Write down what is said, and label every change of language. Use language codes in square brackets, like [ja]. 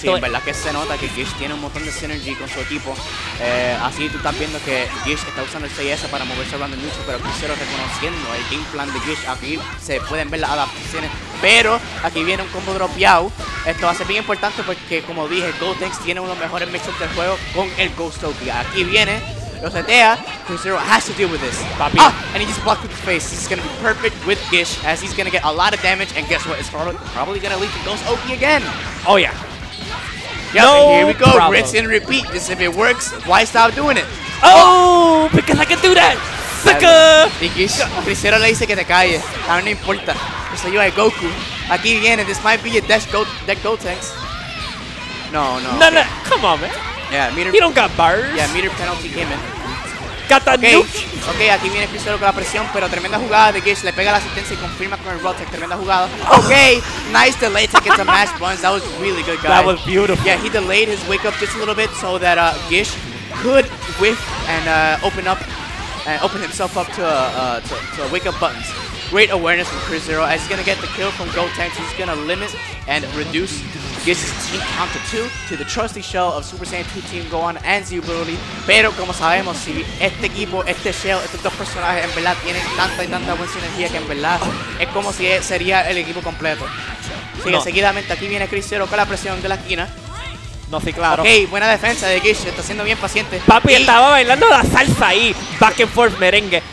[es] Sí, en verdad que se nota que Gish tiene un montón de synergy con su equipo. Así tú estás viendo que Gish está usando el 6S para moverse hablando mucho, pero Crucero reconociendo el game plan de Gish. Aquí se pueden ver las adaptaciones, pero aquí viene un combo dropeado. Esto va a ser bien importante porque, como dije, Gotenks tiene uno de los mejores mixups del juego con el Ghost Tokyo. Aquí viene. Lo setea, [en] Crucero has to deal with this. [es] Papi. [en] And he just blocked with the face. This is gonna be perfect with Gish as he's gonna get a lot of damage. And guess what? It's probably gonna lead to Ghost Oki again. Oh, yeah. Yep, no, and here we go. Problem. Rinse and repeat. This, if it works, why stop doing it? Oh, because I can do that. Sucker! [es] Y Gish, Crucero le dice que te calle. A mí no importa. Yo soy de Goku. Aquí viene. [en] This might be a deck Gotenks. No. Come on, man. Yeah, meter. He don't got bars. Yeah, meter penalty came in. Got that okay. Nuke. [es] Okay, aquí viene Crucero con la presión, pero tremenda jugada de Gish. Le pega la asistencia y confirma con el roll tech. Tremenda jugada. [en] Okay, nice delay to get some mash buns. That was really good, guys. That was beautiful. Yeah, he delayed his wake up just a little bit so that Gish could whiff and open himself up to wake up buttons. Great awareness from Crucero as he's gonna get the kill from Gotenks. He's gonna limit and reduce Gish's team count to 2 to the trusty shell of Super Saiyan 2 Team Gohan and Z ability. [es] Pero como sabemos, si este equipo, este shell, estos dos personajes en verdad tienen tanta y tanta buena sinergia que en verdad es como si sería el equipo completo. Así que seguidamente aquí viene Crucero con la presión de la esquina. No, sí, claro. Ok, buena defensa de Gish, está siendo bien paciente. Papi, estaba bailando la salsa ahí. [en] Back and forth, [es] merengue.